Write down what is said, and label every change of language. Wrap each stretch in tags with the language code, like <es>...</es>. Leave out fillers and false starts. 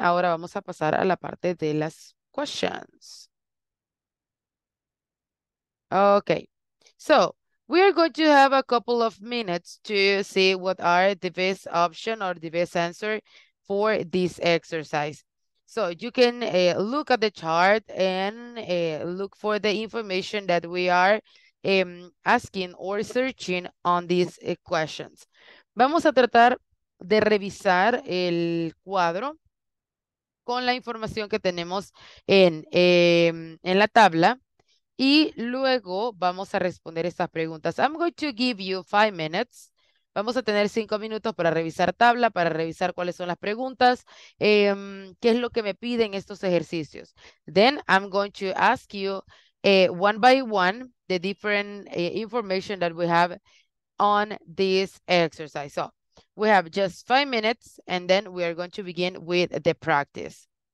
<es>Ahora vamos a pasar a la parte de las questions.</es> <en>Okay. So we are going to have a couple of minutes to see what are the best option or the best answer for this exercise. So you can look at the chart and look for the information that we are asking or searching on these questions.</en> <es>Vamos a tratar de revisar el cuadro con la información que tenemos en la tabla y luego vamos a responder estas preguntas.</es> <en>I'm going to give you 5 minutes.</en> <es>Vamos a tener 5 minutos para revisar tabla, para revisar cuáles son las preguntas, qué es lo que me piden estos ejercicios.</es> <en>Then I'm going to ask you one by one the different information that we have on this exercise. So we have just 5 minutes and then we are going to begin with the practice.</en>